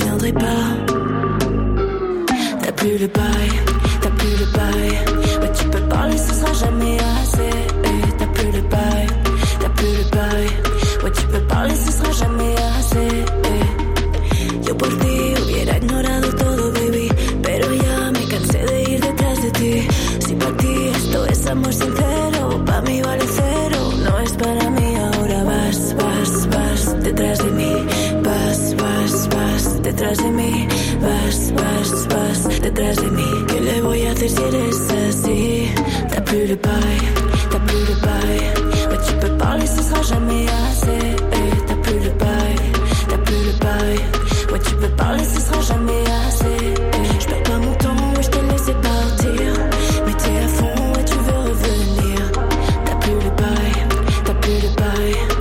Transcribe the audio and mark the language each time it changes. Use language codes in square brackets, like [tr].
[fr] viendrai pas. T'as plus le bail, t'as plus le bail. Mais tu peux parler, ce sera jamais assez. T'as plus le bail, t'as plus le bail. Ouais, tu peux parler, ce sera jamais assez. [es] Yo por ti hubiera ignorado todo, baby. Pero ya me cansé de ir detrás de ti. Si pa' ti esto es amor sincero, pa' mí vale cero. No es para mí, ahora vas, vas, vas detrás de mí. Vas, vas, vas detrás de mí. Vas, vas, vas detrás de mí. ¿Qué le voy a hacer si eres así? [fr] Da plus le pay, da plus le pay. Ouais, tu peux parler, ce sera jamais assez. T'as plus le bail, t'as plus le bail. Ouais, tu peux parler, ce sera jamais assez. J'perds pas mon temps, ouais, j't'ai laissé partir. Mais t'es à fond, ouais, tu veux revenir. T'as plus le bail, t'as plus le bail.